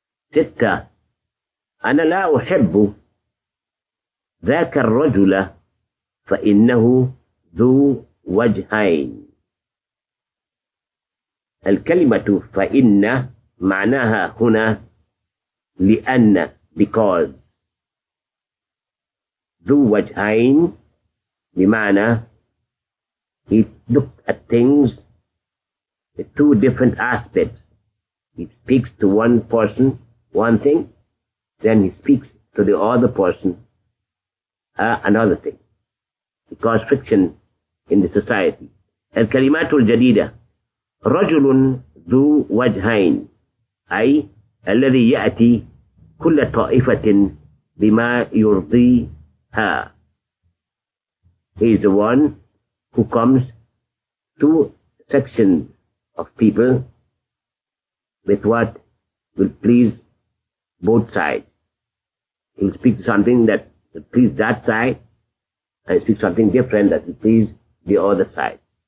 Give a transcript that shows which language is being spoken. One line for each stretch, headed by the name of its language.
Arabic: ستة أنا لا أحب ذاك الرجل فإنه ذو وجهين الكلمة فإن معناها هنا لأن because ذو وجهين بمعنى
English: he looked at things with two different aspects. He speaks to one person one thing, then he speaks to the other person another thing. He caused friction in the society.
Arabic: الكلمات الجديدة رجل ذو وجهين أي الذي يأتي كل طائفة بما يرضيها.
English: He is the one who comes to sections of people with what will please both sides. He will speak something that will please that side and speak something different that will please the other side.